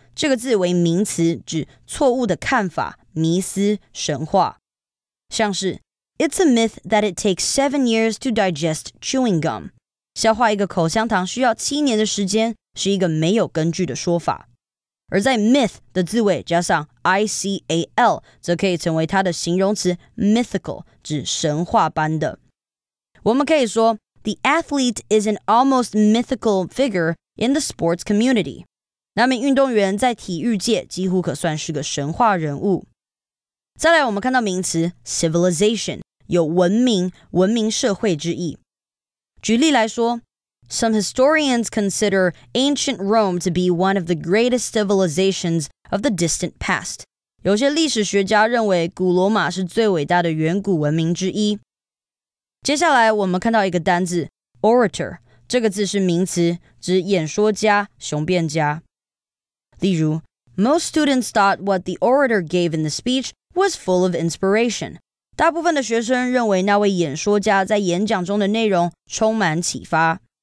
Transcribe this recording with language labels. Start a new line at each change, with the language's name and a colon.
Chinese: 这个字为名词，指错误的看法、迷思、神话。像是
English: It's a myth that it takes 7 years to digest chewing gum.
Chinese: 消化一个口香糖需要7年的时间是一个没有根据的说法。而在 myth 的字尾加上 I-C-A-L 则可以成为它的形容词 mythical, 指神话般的。我们可以说
English: The athlete is an almost mythical figure in the sports community.
Chinese: 那名运动员在体育界几乎可算是个神话人物。再来我们看到名词 civilization, 有文明、文明社会之意。举例来说
English: Some historians consider ancient Rome to be one of the greatest civilizations of the distant past.
Chinese: 有些历史学家认为古罗马是最伟大的远古文明之一。接下来我们看到一个单字 orator, 这个字是名词，指演说家、雄辩家。例如
English: Most students thought what the orator gave in the speech was full of inspiration.
Chinese: 大部分的学生认为那位演说家在演讲中的内容充满启发。